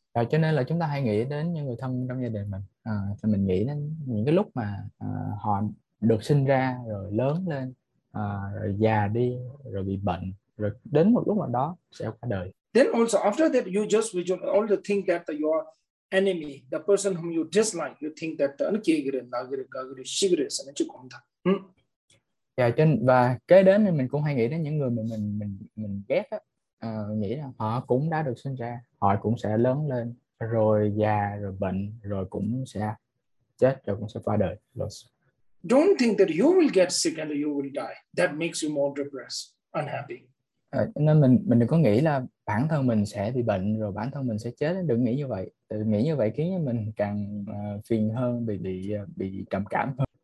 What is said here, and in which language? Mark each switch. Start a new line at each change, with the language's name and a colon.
Vietnamese: Cho nên là chúng ta hãy nghĩ đến những người thân trong gia đình mình. Thì mình nghĩ đến những cái lúc mà họ được sinh ra, rồi lớn lên, rồi già đi, rồi bị bệnh, rồi đến một lúc nào đó sẽ qua đời.
English: Then also after that you just visualize all the things that your enemy, the person whom you dislike, you think that
Vietnamese: và kế đến thì mình cũng hay nghĩ đến những người mình ghét á. Nghĩ là họ cũng đã được sinh ra, họ cũng sẽ lớn lên, rồi già, rồi bệnh, rồi cũng sẽ chết, rồi cũng sẽ qua đời.
English: Don't think that you will get sick and you will die. That makes you more depressed, unhappy.
Vietnamese: Nên mình đừng có nghĩ là bản thân mình sẽ bị bệnh rồi bản thân mình sẽ chết. Đừng nghĩ như vậy. Tự nghĩ như vậy khiến mình càng phiền hơn, bị trầm cảm hơn.